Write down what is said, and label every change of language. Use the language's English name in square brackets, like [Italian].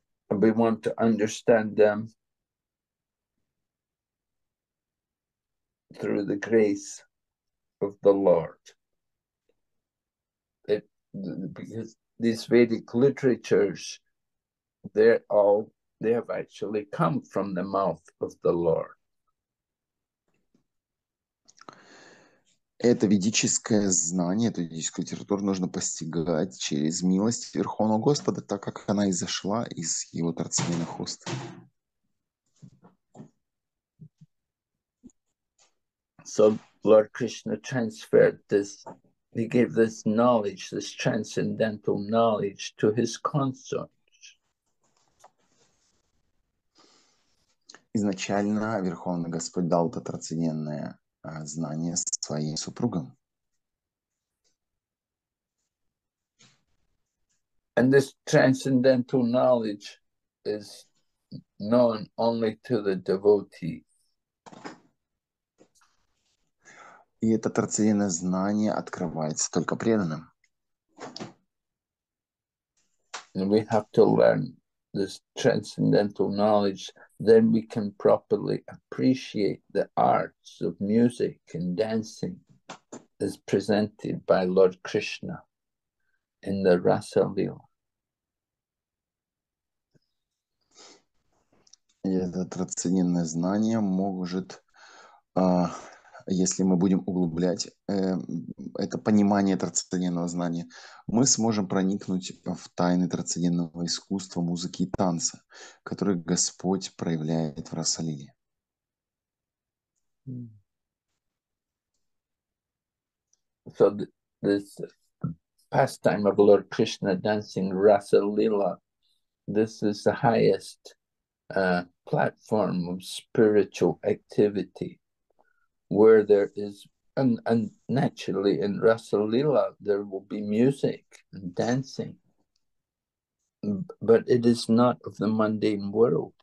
[English] We want to understand them through the grace of the Lord. Because these Vedic literatures, they have actually come from the mouth of the Lord. [Russian] Это ведическое знание, эту ведическую литературу нужно постигать через милость Верховного Господа, так как она изошла из его трансцендентных уст. [English] So Lord Krishna transferred this, he gave this knowledge, this transcendental knowledge to his consort. [Russian] Изначально Верховный Господь дал это трансцендентное знание своим супругам. [English] And this transcendental knowledge is known only to the devotee. [Russian] И это трансцендентное знание открывается только преданным. [English] And we have to learn this transcendental knowledge, then we can properly appreciate the arts of music and dancing as presented by Lord Krishna in the Rasa Lila. [Russian] Это трансцендентное знание может, если мы будем углублять это понимание трансцендентного знания, мы сможем проникнуть в тайны трансцендентного искусства, музыки и танца, которые Господь проявляет в Расалиле. [English] So this pastime of Lord Krishna dancing Rasa Lila, this is the highest platform of spiritual activity, where there is, and naturally in Rasa Lila there will be music and dancing, but it is not of the mundane world.